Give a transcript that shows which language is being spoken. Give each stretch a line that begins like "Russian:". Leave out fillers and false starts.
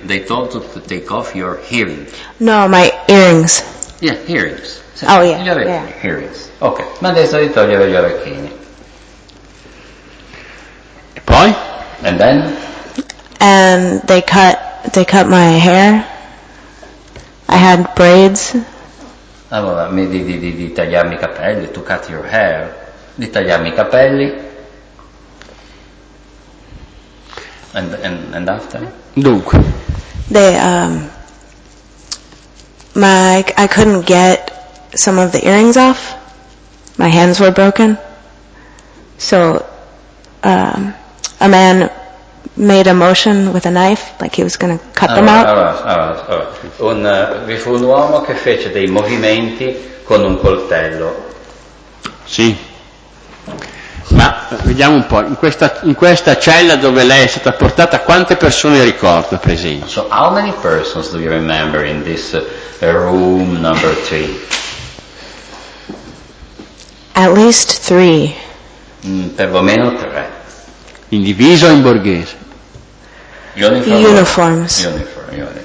English: They told you to take off your hearing. No, my earrings. Yeah, earrings. Sì, oh, yeah.
Italian: Gli orecchini, earrings. Ok, mi hanno detto di togliere gli orecchini. E poi?
English: And then? And they cut my hair. I had braids.
Italian: Allora, di tagliarmi i capelli. To cut your hair. Di tagliarmi i capelli.
English: And after?
Italian: Dunque.
English: They, I couldn't get some of the earrings off. My hands were broken. So, a man made a motion with a knife, like he was going to cut them out.
Italian: Vi fu un uomo che fece dei movimenti con un coltello. Sì. Ma vediamo un po', in questa cella dove lei è stata portata, quante persone ricorda presenti?
English: So, how many persons do you remember in this room number 3? At least 3.
Italian: Perlomeno 3. In divisa o in borghese?
English: Uniform. Uniforms. Uniform.